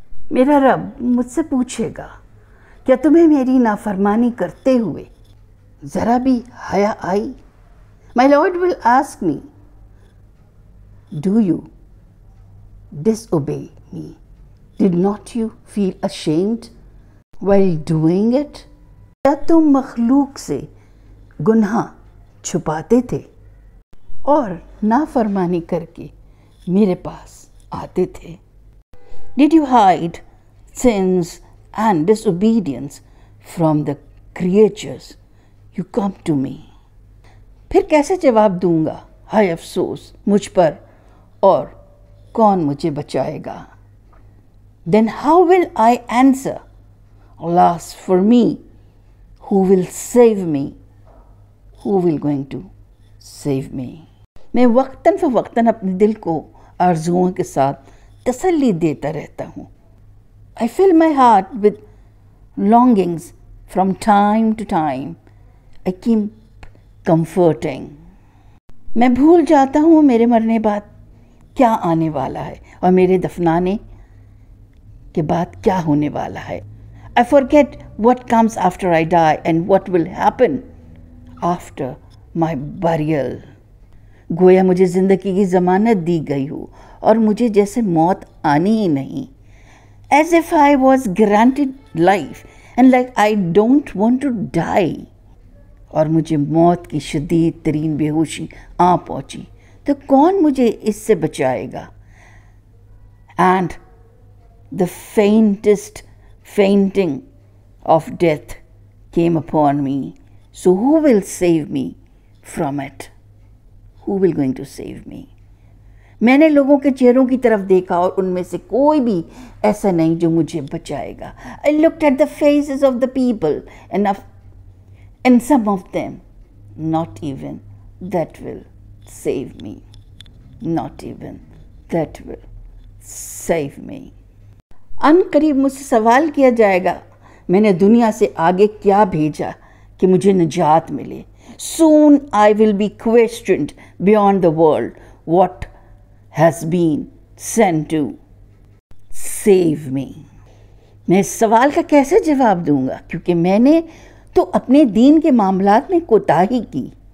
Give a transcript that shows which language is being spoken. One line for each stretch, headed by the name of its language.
Urdu: میرا رب مجھ سے پوچھے گا کیا تمہیں میری نافرمانی کرتے ہوئے ذرا بھی حیا آئی؟
English: My Lord will ask me, do you disobey me? Did not you feel ashamed while doing it?
Urdu: کیا تم مخلوق سے گناہ چھپاتے تھے اور نافرمانی کر کے میرے پاس آتے تھے؟
English: Did you hide sins and disobedience from the creatures? You come to me.
Urdu: پھر کیسے جواب دوں گا ہائے افسوس مجھ پر اور کون مجھے بچائے گا؟
English: Then how will I answer? Alas for me, who will save me? Who will going to save me?
Urdu: میں وقتاً فوقتاً اپنے دل کو آرزوؤں کے ساتھ تسلی دیتا رہتا ہوں.
English: I fill my heart with longings from time to time. I keep comforting.
Urdu: میں بھول جاتا ہوں میرے مرنے بعد کیا آنے والا ہے اور میرے دفنانے کے بعد کیا ہونے والا ہے.
English: I forget what comes after I die and what will happen after my burial.
Urdu: گویا مجھے زندگی کی ضمانت دی گئی ہو اور مجھے جیسے موت آنی ہی نہیں.
English: As if I was granted life and like I don't want to die.
Urdu: اور مجھے موت کی شدید ترین بے ہوشی آ پہنچی تو کون مجھے اس سے بچائے گا؟
English: And the faintest fainting of death came upon me. So who will save me from it? Who will going to save me?
Urdu: میں نے لوگوں کے چہروں کی طرف دیکھا اور ان میں سے کوئی بھی ایسا نہیں جو مجھے بچائے گا.
English: I looked at the faces of the people and some of them, not even that will save me. Not even that will save me.
Urdu: ان قریب مجھ سے سوال کیا جائے گا میں نے دنیا سے آگے کیا بھیجا کہ مجھے نجات ملے.
English: Soon I will be questioned beyond the world what has been sent to save me.
Urdu: میں اس سوال کا کیسے جواب دوں گا کیونکہ میں نے تو اپنے دین کے معاملات میں کوتاہی کی.